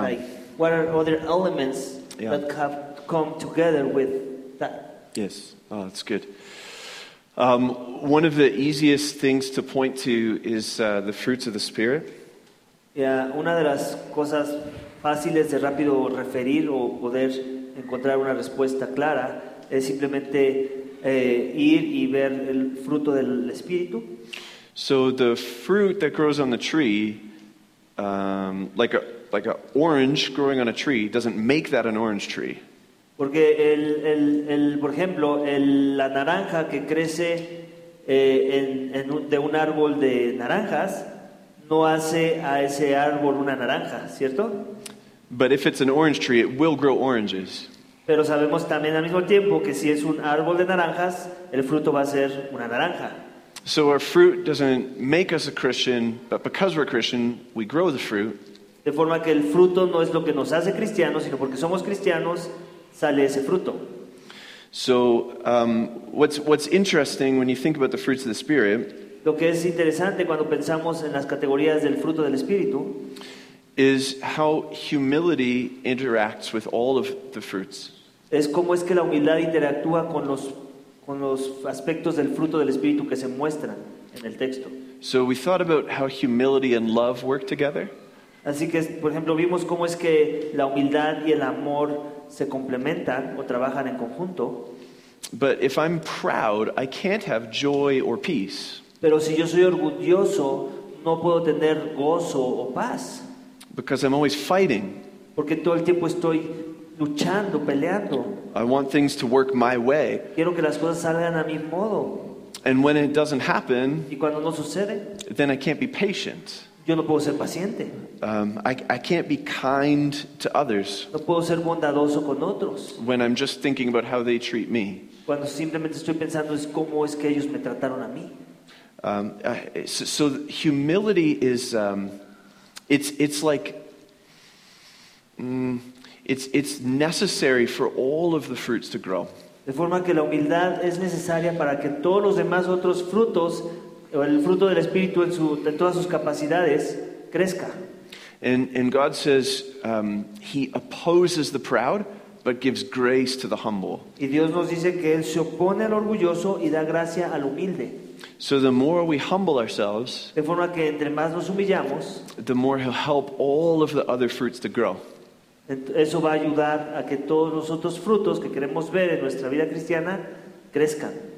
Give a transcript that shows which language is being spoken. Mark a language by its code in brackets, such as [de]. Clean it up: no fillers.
[en] Like, what are other elements that have come together with that? Yes, oh, that's good. One of the easiest things to point to is the fruits of the Spirit. [es] Yeah, una de las cosas fáciles de rápido referir o poder encontrar una respuesta clara es simplemente ir y ver el fruto del Espíritu. [en] So the fruit that grows on the tree, like a orange growing on a tree, doesn't make that an orange tree. [es] Porque el por ejemplo, la naranja que crece de un árbol de naranjas no hace a ese árbol una naranja, ¿cierto? [en] But if it's an orange tree, it will grow oranges. [es] Pero sabemos también al mismo tiempo que si es un árbol de naranjas, el fruto va a ser una naranja. [en] So our fruit doesn't make us a Christian, but because we're Christian, we grow the fruit. [es] De forma que el fruto no es lo que nos hace cristianos, sino porque somos cristianos sale ese fruto. [en] So what's interesting when you think about the fruits of the Spirit, [es] lo que es interesante cuando pensamos en las categorías del fruto del Espíritu, [en] is how humility interacts with all of the fruits. [es] Es cómo es que la humildad interactúa con los aspectos del fruto del Espíritu que se muestran en el texto. [en] So we thought about how humility and love work together. [es] Así que, por ejemplo, vimos cómo es que la humildad y el amor se complementan o trabajan en conjunto. [en] But if I'm proud, I can't have joy or peace. [es] Pero si yo soy orgulloso, no puedo tener gozo o paz. [en] Because I'm always fighting. [es] Porque todo el tiempo estoy luchando, peleando. [en] I want things to work my way. [es] Quiero que las cosas salgan a mi modo. [en] And when it doesn't happen, [es] y cuando no sucede, [en] then I can't be patient. [es] Yo no puedo ser paciente. [en] I can't be kind to others. [es] No puedo ser bondadoso con otros. [en] When I'm just thinking about how they treat me. [es] Cuando simplemente estoy pensando es cómo es que ellos me trataron a mí. [en] So humility is it's necessary for all of the fruits to grow. [es] De forma que la humildad es necesaria para que todos los demás otros frutos, el fruto del Espíritu en todas sus capacidades, crezca. [en] And God says he opposes the proud but gives grace to the humble. [es] Y Dios nos dice que él se opone al orgulloso y da gracia al humilde. [en] So the more we humble ourselves, [es] de forma que entre más nos humillamos, [en] the more he'll help all of the other fruits to grow. [es] Eso va a ayudar a que todos los otros frutos que queremos ver en nuestra vida cristiana crezcan.